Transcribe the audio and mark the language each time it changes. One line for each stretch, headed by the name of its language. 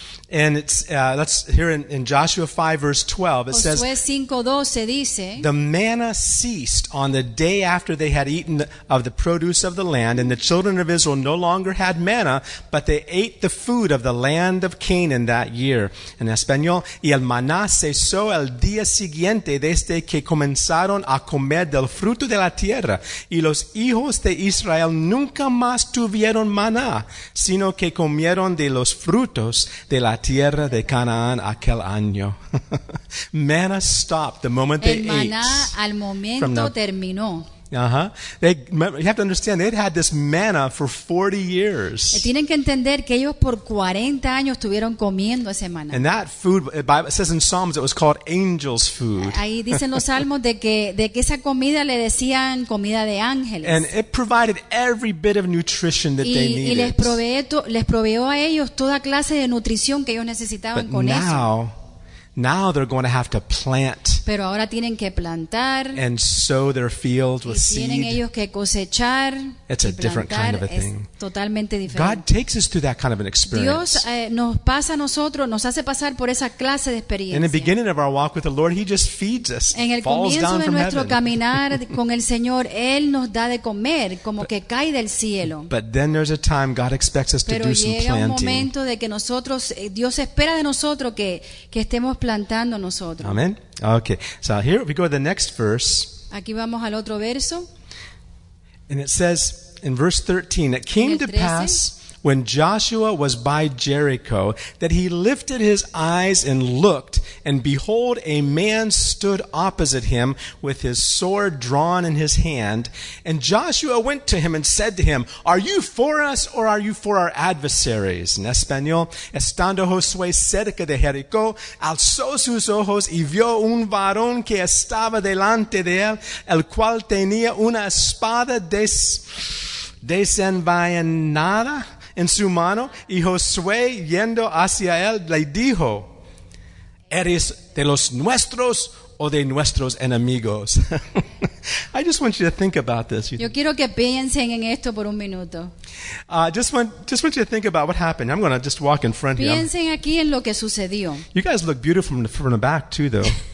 English: And it's let's here in Joshua 5 verse 12 it
Spanish: Josué
English: says
Spanish: 5:12 dice,
English: the manna ceased on the day after they had eaten of the produce of the land, and the children of Israel no longer had manna, but they ate the food of the land of Canaan that year.
Spanish: En español, y el maná cesó el día siguiente desde que comenzaron a comer del fruto de la tierra, y los hijos de Israel nunca más tuvieron maná, sino que comieron de los frutos de la tierra de Canaán aquel año.
English: Manna stopped the moment they ate.
Spanish: El maná al momento terminó.
English: You have to understand, they'd had this manna for 40 years.
Spanish: Tienen que entender que ellos por 40 años estuvieron comiendo ese maná.
English: And that food, it says in Psalms, it was called angels' food.
Spanish: Ahí dicen los salmos de que esa comida le decían comida de ángeles.
English: And it provided every bit of nutrition that
Spanish: y,
English: they needed.
Spanish: Y les proveyó a ellos toda clase de nutrición que ellos necesitaban
English: But
Spanish: con
English: now,
Spanish: eso.
English: Now they're going to have to plant.
Spanish: Pero ahora tienen que plantar.
English: And sow their fields with seed.
Spanish: Tienen ellos que cosechar.
English: It's a different kind of a thing.
Spanish: Es totalmente diferente.
English: God takes us through that kind of an experience.
Spanish: Dios nos pasa a nosotros, nos hace pasar por esa clase de experiencia.
English: In the beginning of our walk with the Lord, He just feeds us.
Spanish: En el comienzo de nuestro caminar con el Señor, Él nos da de comer, como que cae del cielo.
English: But then there's a time God expects us to do some planting.
Spanish: Pero llega un momento de que nosotros, Dios espera de nosotros que estemos plantando nosotros.
English: Amen. Okay. So here we go to the next verse.
Spanish: Aquí vamos al otro verso.
English: And it says in verse 13, it came to pass when Joshua was by Jericho that he lifted his eyes and looked, and behold, a man stood opposite him with his sword drawn in his hand. And Joshua went to him and said to him, Are you for us or are you for our adversaries?
Spanish: En español, estando Josué cerca de Jericó, alzó sus ojos y vio un varón que estaba delante de él, el cual tenía una espada desenvainada en su mano, y Josué, yendo hacia él, le dijo, ¿Eres de los nuestros o de nuestros enemigos?
English: I just want you to think about this.
Spanish: Yo quiero que piensen en esto por un minuto.
English: I just want you to think about what happened. I'm going to just walk in front here.
Spanish: Piensen aquí en lo que sucedió.
English: You guys look beautiful from the back too, though.